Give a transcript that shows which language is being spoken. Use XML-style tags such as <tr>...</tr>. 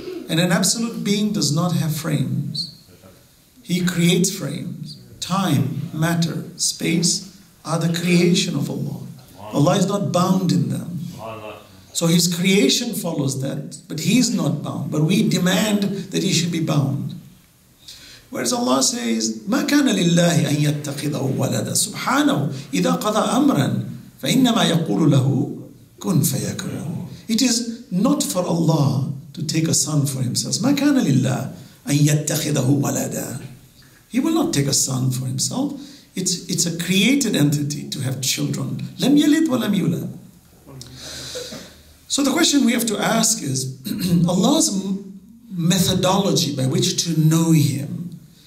<en>And an absolute being does not have frames. He creates frames. Time, matter, space are the creation of Allah. Allah is not bound in them. So His creation follows that, but He is not bound. But we demand that He should be bound. Whereas Allah says,</en> <ar>مَا كَانَ لِلَّهِ أَن يَتَّقِذَهُ وَلَدًا سُبْحَانَهُ إِذَا قَضَى أَمْرًا فَإِنَّمَا يَقُولُ لَهُ كُنْ فَيَكُونُ.</ar> <en>It is not for Allah to take a son for Himself.</en> <ar>مَا كَانَ لِلَّهِ أَن يَتَّقِذَهُ وَلَدًا.</ar> <en>He will not take a son for Himself. It's a created entity to have children.</en> <ar>لَمْ يَلِدْ وَلَمْ يُولَدْ.</ar> <en>So the question we have to ask is, Allah's methodology by which to know Him.</en>